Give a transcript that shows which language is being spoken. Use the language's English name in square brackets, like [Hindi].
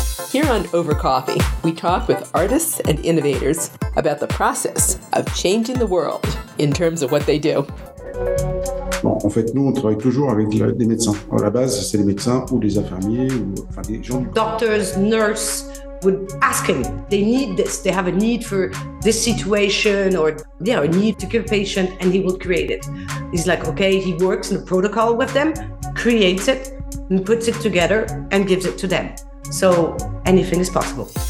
[English] Here on Over Coffee, we talk with artists and innovators about the process of changing the world in terms of what they do. [French] Bon, en fait, nous, on travaille toujours avec des médecins. À la base, c'est les médecins ou les infirmiers ou enfin, des gens. [English] Doctors, nurses would ask him. They need this. They have a need for this situation or they have a need to give a patient and he will create it. He's like, okay, he works in a protocol with them, creates it and puts it together and gives it to them. So anything is possible.